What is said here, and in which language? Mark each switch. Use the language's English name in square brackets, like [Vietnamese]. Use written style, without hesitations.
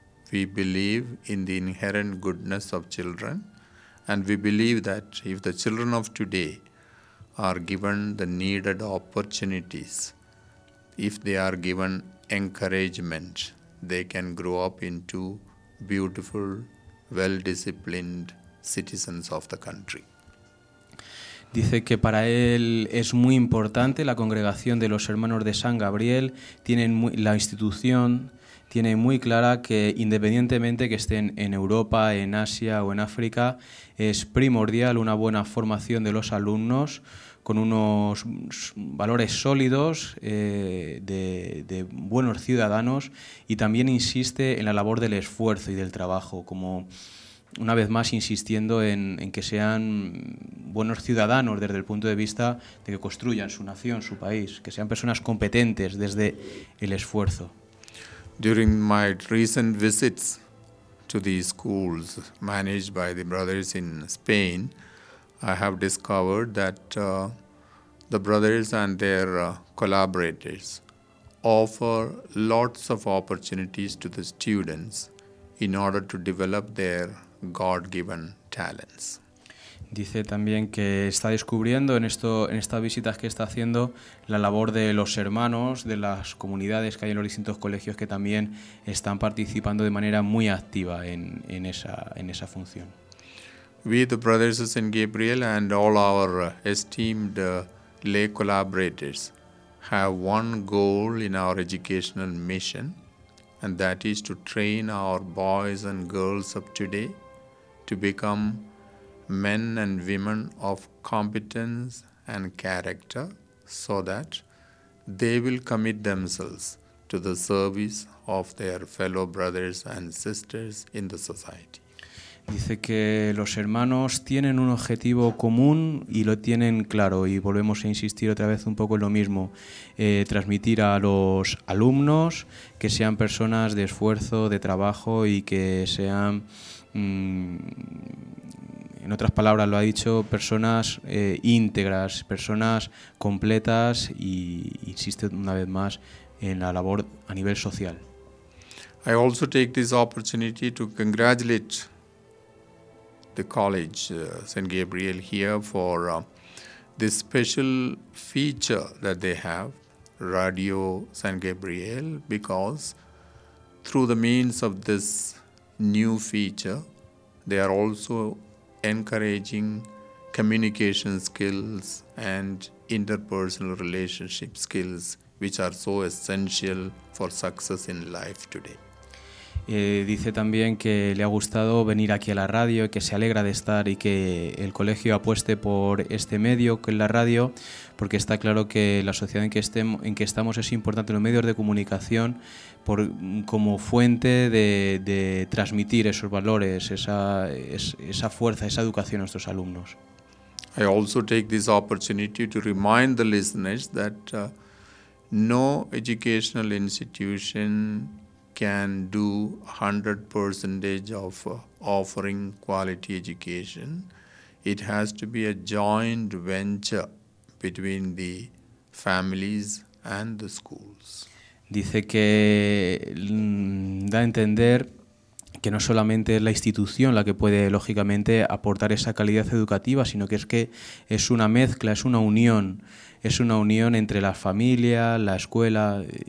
[English] We believe in the inherent goodness of children, and we believe that if the children of today are given the needed opportunities, if they are given encouragement, they can grow up into beautiful, well-disciplined citizens of the country. [Spanish] Dice que para él es muy importante la congregación de los hermanos de San Gabriel. La institución tiene muy clara que, independientemente que estén en Europa, en Asia o en África, es primordial una buena formación de los alumnos con unos valores sólidos de buenos ciudadanos, y también insiste en la labor del esfuerzo y del trabajo, como una vez más insistiendo en que sean buenos ciudadanos desde el punto de vista de que construyan su nación, su país, que sean personas competentes desde el esfuerzo. [English] During my recent visits to the schools managed by the brothers in Spain, I have discovered that the brothers and their collaborators offer lots of opportunities to the students in order to develop their God-given talents. [Spanish] Dice también que está descubriendo en estas visitas que está haciendo la labor de los hermanos, de las comunidades que hay en los distintos colegios, que también están participando de manera muy activa en esa función. [English] We, the brothers of St. Gabriel, and all our esteemed lay collaborators have one goal in our educational mission, and that is to train our boys and girls of today to become men and women of competence and character so that they will commit themselves to the service of their fellow brothers and sisters in the society. [Spanish] Dice que los hermanos tienen un objetivo común y lo tienen claro, y volvemos a insistir otra vez un poco en lo mismo, transmitir a los alumnos que sean personas de esfuerzo, de trabajo y que sean, en otras palabras lo ha dicho, personas íntegras, personas completas, y insiste una vez más en la labor a nivel social. [English] I also take this opportunity to congratulate the college St. Gabriel here for this special feature that they have, Radio St. Gabriel, because through the means of this new feature, they are also encouraging communication skills and interpersonal relationship skills, which are so essential for success in life today. [Spanish] Dice también que le ha gustado venir aquí a la radio, que se alegra de estar y que el colegio apueste por este medio, que es la radio, porque está claro que la sociedad en que estamos es importante, los medios de comunicación, como fuente de transmitir esos valores, esa fuerza, esa educación a nuestros alumnos. [English] I also take this opportunity to remind the listeners that no educational institution can do 100% of offering quality education. It has to be a joint venture between the families and the schools. [Spanish] Dice que da a entender que no solamente es la institución la que puede lógicamente aportar esa calidad educativa, sino que es una mezcla, es una unión entre la familia, la escuela.